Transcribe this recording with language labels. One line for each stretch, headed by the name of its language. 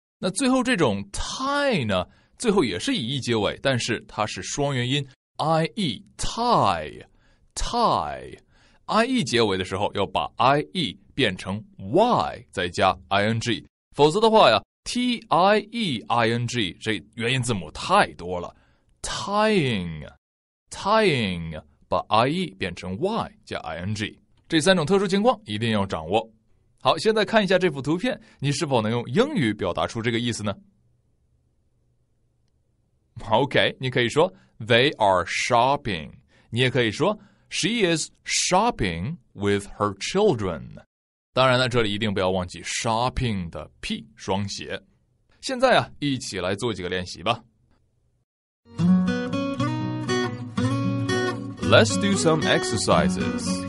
Chinese: 那最后这种 tie 呢，最后也是以 e 结尾，但是它是双元音 ie， tie， tie， ie 结尾的时候要把 ie 变成 y 再加 ing， 否则的话呀T-I-E-I-N-G 这元音字母太多了。 Tying Tying 把 I-E 变成 Y 加 I-N-G， 这三种特殊情况一定要掌握。好，现在看一下这幅图片，你是否能用英语表达出这个意思呢？
English: OK，
Chinese: 你可以说
English: They are shopping，
Chinese: 你也可以说
English: She is shopping with her children。
Chinese: 当然呢，这里一定不要忘记 shopping 的 p 双写。现在啊，一起来做几个练习吧。
English: Let's do some exercises.